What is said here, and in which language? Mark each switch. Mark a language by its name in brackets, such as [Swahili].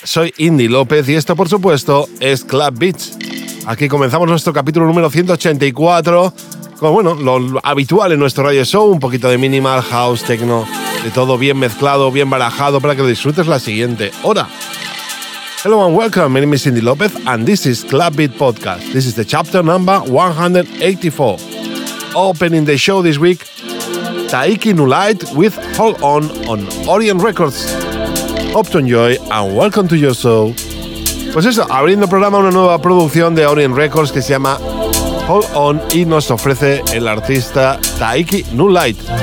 [Spanish] Soy Indy López y esto, por supuesto, es Club Beats. Aquí comenzamos nuestro capítulo número 184 con, bueno, lo habitual en nuestro radio show, un poquito de minimal, house, techno, de todo bien mezclado, bien barajado, para que lo disfrutes la siguiente hora. [English] Hello and welcome, my name is Indy López and this is Club Beat Podcast. This is the chapter number 184. Opening the show this week, Taiki Nulight with Hold on Orient Records. Hope to enjoy and welcome to your show. [Spanish] Pues eso, abriendo el programa, una nueva producción de Orient Records que se llama Hold on y nos ofrece el artista Taiki Nulight.